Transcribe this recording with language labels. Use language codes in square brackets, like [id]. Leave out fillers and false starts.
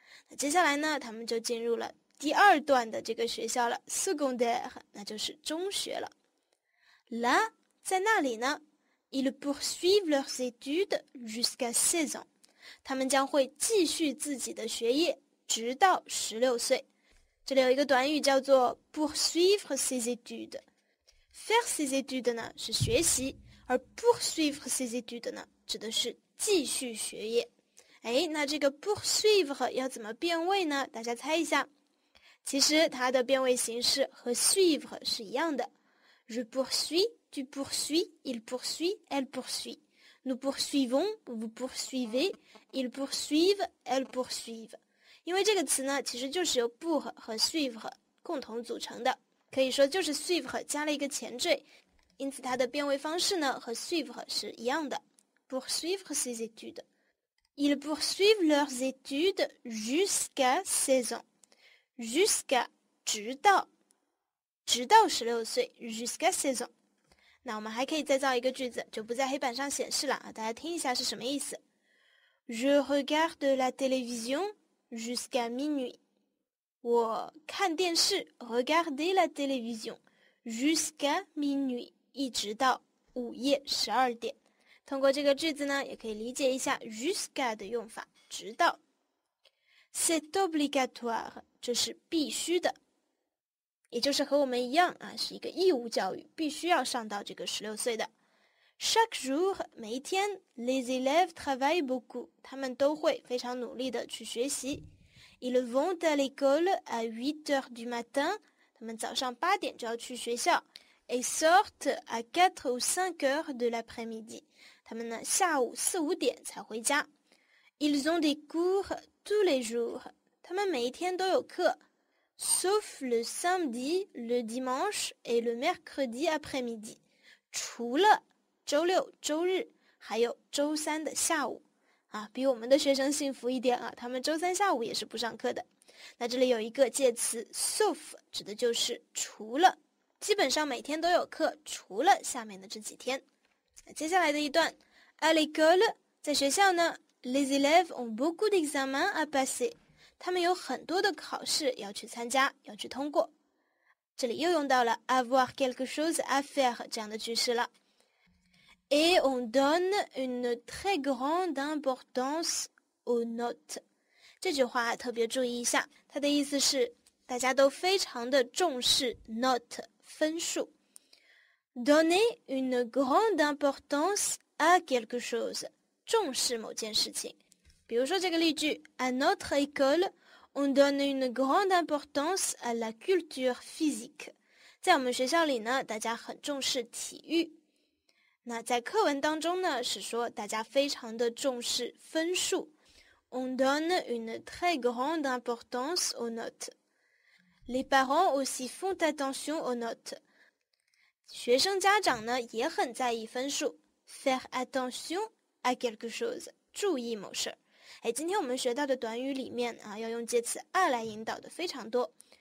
[zh] 那接下来呢，他们就进入了第二段的这个学校了， secondaire， 那就是中学了。 [fr] Là， [zh] 在那里呢， [fr] ils poursuivent leurs études jusqu'à 16 ans. [zh] 他们将会继续自己的学业直到16岁。这里有一个短语叫做 poursuivre ses études。 Faire ses études 呢是学习，而 poursuivre ses études 呢指的是继续学业。哎，那这个 poursuivre 要怎么变位呢？大家猜一下。其实它的变位形式和 suivre 是一样的。 [fr] Je poursuis, tu poursuis, il poursuit, elle poursuit. Nous poursuivons, vous poursuivez, ils poursuivent, elles poursuivent。 [zh] 因为这个词呢，其实就是由 pour 和 suivre 共同组成的，可以说就是 suivre 加了一个前缀，因此它的变位方式呢和 suivre 是一样的。 [fr] Poursuivre ses études. Ils poursuivent leurs études jusqu'à 16 ans. Jusqu'à [zh] 直到十六岁 [fr] jusqu'à 16 ans。 [zh] 那我们还可以再造一个句子，就不在黑板上显示了啊，大家听一下是什么意思。 [fr] Je regarde la télévision. Jusqu'à minuit. [zh] 我看电视 [fr] regarder la télévision. Jusqu'à minuit. [zh] 一直到午夜十二点。通过这个句子呢，也可以理解一下 jusqu'à 的用法，直到。 [fr] C'est obligatoire. [zh] 这是必须的。也就是和我们一样啊，是一个义务教育，必须要上到这个十六岁的。 [fr] Chaque jour, [zh] 每一天 [fr] les élèves travaillent beaucoup, [zh] 他们都会非常努力地去学习。 [fr] Ils vont à l'école à 8h du matin, [zh] 他们早上8点就要去学校。 [fr] Et sortent à 4 ou 5 heures de l'après-midi, [zh] 他们呢下午四五点才回家。 [fr] Ils ont des cours tous les jours, [zh] 他们每一天都有课。 [fr] Sauf le samedi, le dimanche et le mercredi après-midi, [zh] 除了周六、周日还有周三的下午啊，比我们的学生幸福一点啊，他们周三下午也是不上课的。那这里有一个介词 sauf， 指的就是除了，基本上每天都有课，除了下面的这几天。接下来的一段 à l'école， 在学校呢 [fr] les élèves ont beaucoup d'examens à passer， [zh] 他们有很多的考试要去参加，要去通过。这里又用到了 avoir quelque chose à faire 这样的句式了。 [fr] Et on donne une très grande importance aux notes. [zh] 这句话特别注意一下，它的意思是大家都非常的重视 note 分数。 [fr] Donner une grande importance à quelque chose， [zh] 重视某件事情。比如说这个例句 [fr] ，À notre école, on donne une grande importance à la culture physique. [zh] 在我们学校里呢，大家很重视体育。那在课文当中呢，是说大家非常的重视分数。 [fr] On donne une très grande importance aux notes. Les parents aussi font attention aux notes. [zh] 学生家长呢，也很在意分数。 [fr] Faire attention à quelque chose. [zh] 注意某事。哎，今天我们学到的短语里面啊，要用介词à来引导的非常多。